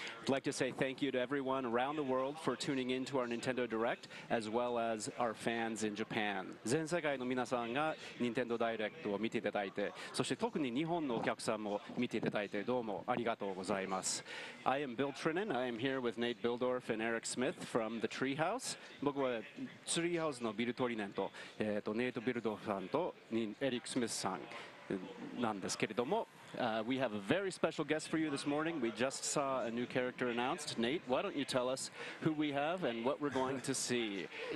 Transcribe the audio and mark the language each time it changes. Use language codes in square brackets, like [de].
[en] I'd like to say thank you to everyone around the world for tuning in to our Nintendo Direct, as well as our fans in Japan. [ja] 全世界の皆さんがNintendo Directを見ていただいて、そして特に日本のお客さんも見ていただいて、どうもありがとうございます。 [en] I am Bill Trinan. I am here with Nate Bildorf and Eric Smith from the Treehouse. [ja] 僕はTreehouseのビルトリネンと、ネイトビルドフさんとエリックスミスさんなんですけれども、 [en] We have a very special guest for you this morning. We just saw a new character announced. Nate, why don't you tell us who we have and what we're going to see?